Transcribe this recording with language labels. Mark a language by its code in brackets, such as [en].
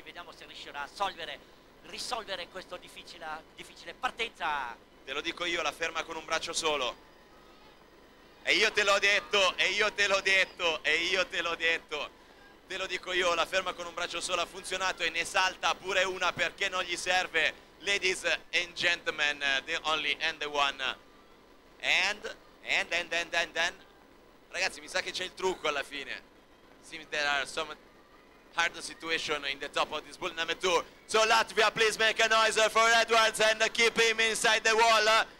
[it] Vediamo se riuscirà a risolvere questo difficile partenza. Te lo dico io, la ferma con un braccio solo. E io te l'ho detto, e io te l'ho detto, e io te l'ho detto. Te lo dico io, la ferma con un braccio solo ha funzionato e ne salta pure una perché non gli serve. [en] Ladies and gentlemen, the only and the one. And [it] Ragazzi, mi sa che c'è il trucco alla fine. [en] Seems there are some hard situation in the top of this bull number two. So Latvia, please make a noise for Edwards and keep him inside the wall.